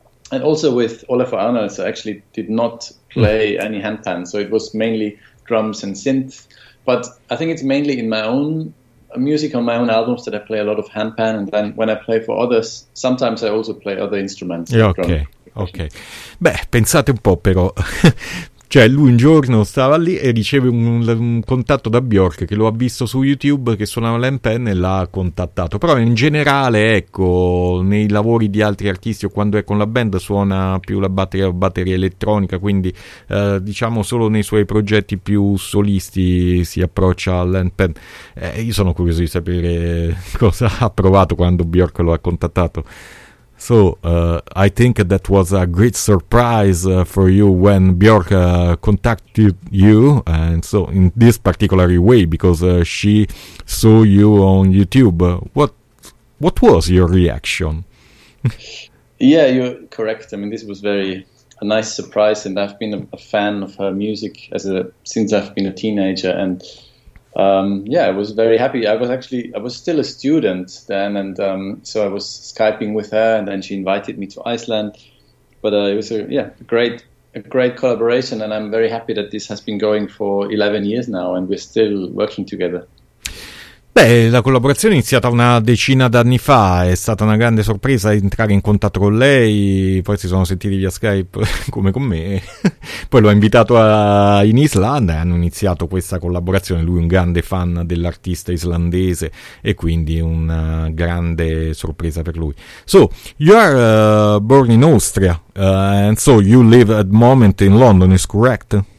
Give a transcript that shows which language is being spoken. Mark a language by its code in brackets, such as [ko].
[en] And also with Olafur Arnalds, I actually did not play any handpans. So it was mainly drums and synth. But I think it's mainly in my own music, on my own albums, that I play a lot of handpan. And then when I play for others, sometimes I also play other instruments. Yeah, okay, okay. [it] Beh, pensate un po', però. Cioè, lui un giorno stava lì e riceve un contatto da Bjork, che lo ha visto su YouTube che suonava l'handpan e l'ha contattato. Però in generale, ecco, nei lavori di altri artisti o quando è con la band suona più la batteria elettronica, quindi diciamo solo nei suoi progetti più solisti si approccia all'handpan. Io sono curioso di sapere cosa ha provato quando Bjork lo ha contattato. [en] So I think that was a great surprise for you when Bjork contacted you, and so in this particular way, because she saw you on YouTube. What was your reaction? Yeah, you're correct. I mean, this was a nice surprise, and I've been a fan of her music since I've been a teenager, and I was very happy. I was still a student then, and so I was Skyping with her, and then she invited me to Iceland. But it was a great collaboration, and I'm very happy that this has been going for 11 years now and we're still working together. [it] Beh, la collaborazione è iniziata una decina d'anni fa, è stata una grande sorpresa entrare in contatto con lei, poi si sono sentiti via Skype come con me, poi l'ho invitato in Islanda e hanno iniziato questa collaborazione. Lui è un grande fan dell'artista islandese e quindi una grande sorpresa per lui. [en] So, you are born in Austria, and so you live at the moment in London, is correct?